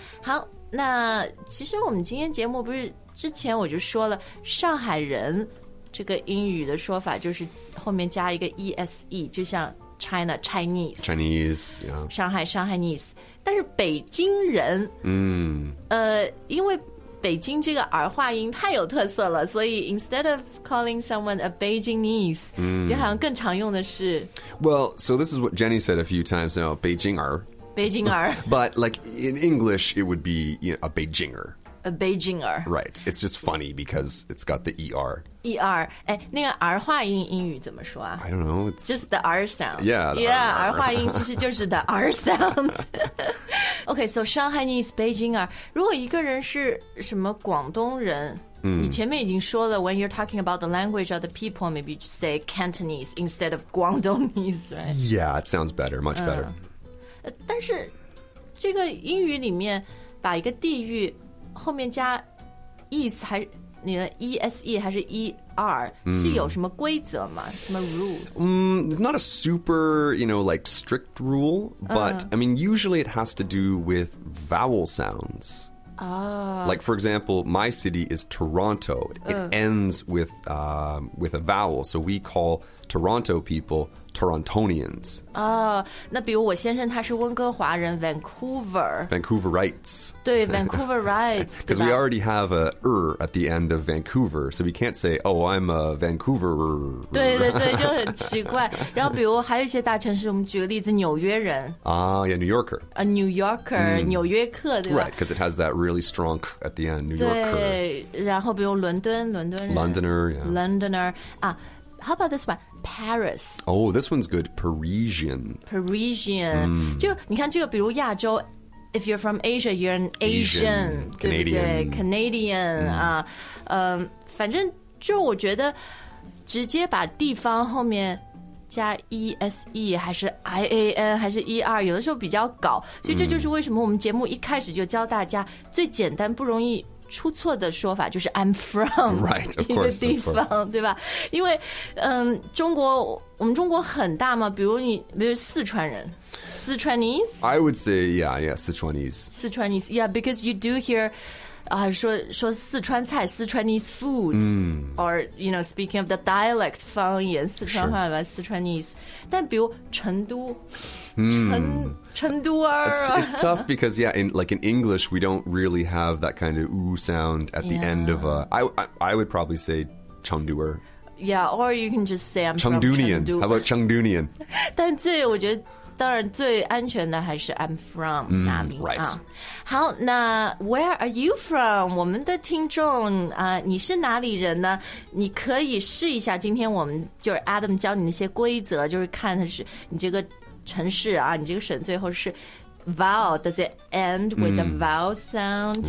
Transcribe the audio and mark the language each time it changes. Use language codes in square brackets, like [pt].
[zh] 好那其实我们今天节目不是之前我就说了上海人这个英语的说法就是后面加一个 ESE 就像 [en] China, Chinese、 yeah. [zh] 上海 Chinese 但是北京人、 mm. 因为北京这个儿化音太有特色了，所以 [en] instead of calling someone a Beijingese,、 mm. [zh] 就好像更常用的是。 [en] Well, so this is what Jenny said a few times now, Beijing-er. Beijing-er. But like in English, it would be you know, a Beijinger. A Beijinger. Right. It's just funny because it's got the E-R. E-R. [zh] 那个儿化音英语怎么说啊 [en] I don't know. It's just the R sound. Yeah, the R. [zh] Yeah, 儿化音其实就是 [en] the R sound. Okay, so Shanghainese, Beijinger. [zh] 如果一个人是什么广东人、 mm. 你前面已经说了 [en] when you're talking about the language or the people, maybe you say Cantonese instead of Guangdongese, right? Yeah, it sounds better, much better.、 [zh] 但是这个英语里面把一个地域后面加 ese 还你的 ese 还是 er、 mm. 是有什么规则吗？什么 rule？ [en] It's not a super you know like strict rule, but、I mean usually it has to do with vowel sounds. Like for example, my city is Toronto. It ends with a vowel, so we call Toronto people Torontonians. [zh] 啊、那比如我先生他是温哥华人 Vancouver. [en] Vancouverites. [zh] 对 Vancouverites. [en] Because we already have a er at the end of Vancouver, so we can't say, oh, I'm a Vancouverer. [zh] 对对对，就很奇怪。然后比如还有一些大城市，我们举个例子，纽约人。 [en] Yeah, New Yorker. A New Yorker,、 [zh] mm. 纽约客，对吧 [en] ？Right, because it has that really strong k at the end, New Yorker. [zh] 对，然后比如伦敦人。 [en] Londoner, yeah. Londoner, 啊。How about this one? Paris. Oh, this one's good. Parisian.、 Mm. [zh] 就你看这个比如亚洲 [en] if you're from Asia, you're an Asian. Canadian. [zh] 对不对 Canadian.、Mm. 啊反正就我觉得直接把地方后面加 ese 还是 ian 还是 er 有的时候比较搞。所以这就是为什么我们节目一开始就教大家最简单不容易出错的说法就是 [en] I'm from right, of course, [zh] 一个地方 [en] of [zh] 对吧因为、中国我们中国很大嘛比如你比如四川人 Sichuanese [en] I would say yeah Sichuanese yeah because you do hear、 [zh] 说四川菜 [en] Sichuanese food、 mm. or you know speaking of the dialect [zh] 方言四川话吧 [en] Sichuanese 但比如成都、 mm. [zh] 成都儿 [en] it's tough because yeah in like in English we don't really have that kind of ooh sound at the、 yeah. end of a I would probably say Chengduer yeah or you can just say I'm Chengdunian Chengdu. How about Chengdunian [zh] 但最我觉得当然最安全的还是 [en] I'm from [zh] 哪里、 [en] right. [zh] 啊、好那 [en] where are you from [zh] 我们的听众、你是哪里人呢你可以试一下今天我们就是 Adam 教你那些规则就是看的是你这个城市啊，你这个省最后是 vowel [en] does it end with a vowel sound、